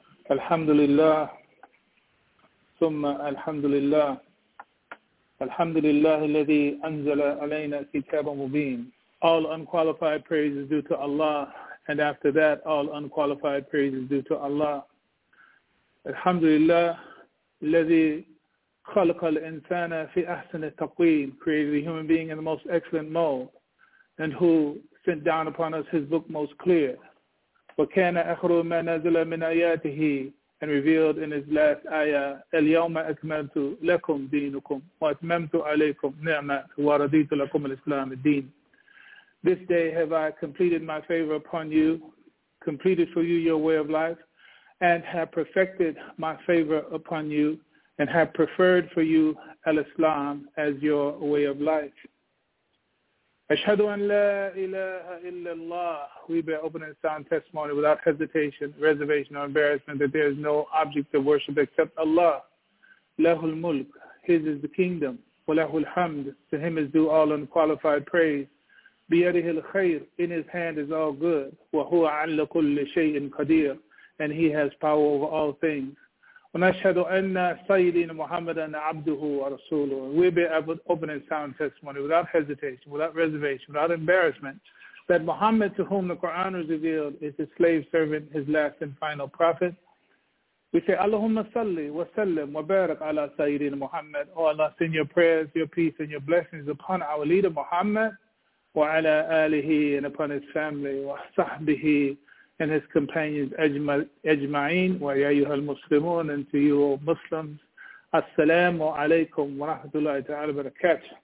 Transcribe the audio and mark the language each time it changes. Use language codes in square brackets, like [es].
[ar] الحمد لله ثم الحمد لله الحمد لله الذي أنزل علينا كتاب مبين. [en] All unqualified praise is due to Allah, and after that all unqualified praise is due to Allah. [ar] الحمد لله الذي خلق الإنسان في أحسن التقويم, [en] created the human being in the most excellent mode, and who sent down upon us his book most clear. [ar] وَكَانَ أَخْرُ مَا نَزَلَ مِنْ آيَاتِهِ, [en] and revealed in his last ayah, [ar] الْيَوْمَ أَكْمَلْتُ لَكُمْ دِينُكُمْ وَأَتْمَمْتُ عَلَيْكُمْ نِعْمَةً وَرَضِيتُ لَكُمْ الْإِسْلَامِ الدِّينِ. [en] This day have I completed my favor upon you, completed for you your way of life, and have perfected my favor upon you, and have preferred for you al-Islam as your way of life. [ar] Ashhadu an la ilaha illallah. [en] We bear open and sound testimony without hesitation, reservation, or embarrassment that there is no object of worship except Allah. [ar] Lahul mulk. [en] His is the kingdom. [ar] Wa lahul hamd. [en] To him is due all unqualified praise. [ar] Bi yadihi al-khayr. [en] In his hand is all good. [ar] Wa huwa ala kulli shay'in qadir. [en] And he has power over all things. [ar] ونشهدوا أن سيدنا محمد عبده ورسوله. [en] We bear open and sound testimony without hesitation, without reservation, without embarrassment, that Muhammad, to whom the Quran is revealed, is his slave servant, his last and final prophet. We say, [ar] Allahumma salli wa sallim wa barak ala sayyidina Muhammad. [en] O Allah, send your prayers, your peace, and your blessings upon our leader Muhammad, [ar] wa ala alihi, [en] and upon his family, [ar] wa sahbihi, [en] and his companions, ajma'in, [ar] wa ya ayyuha al-muslimun, [en] and to you, O Muslims, [ar] assalamu alaikum wa rahmatullahi ta'ala barakatuh.